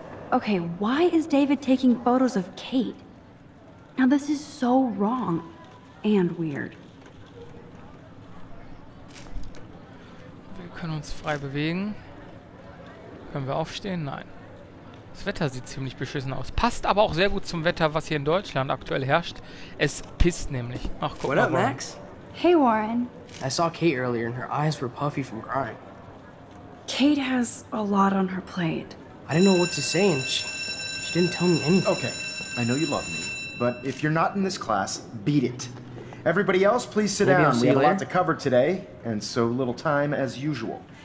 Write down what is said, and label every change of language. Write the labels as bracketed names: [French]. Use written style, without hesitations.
[English] Okay, why is David taking photos of Kate? Now this is so wrong and weird. [German] Wir können uns frei bewegen. Können wir aufstehen? Nein. Das Wetter sieht ziemlich beschissen aus. Passt aber auch sehr gut zum Wetter, was hier in Deutschland aktuell herrscht. Es pisst nämlich. Ach, guck mal. [English] What up, Max? Hey, Warren. I saw Kate earlier and her eyes were puffy from crying. Kate has a lot on her plate. I didn't know what to say, and she didn't tell me anything. Okay, I know you love me, but if you're not in this class, beat it. Everybody else, please sit down. We have a lot to cover today, and so little time as usual.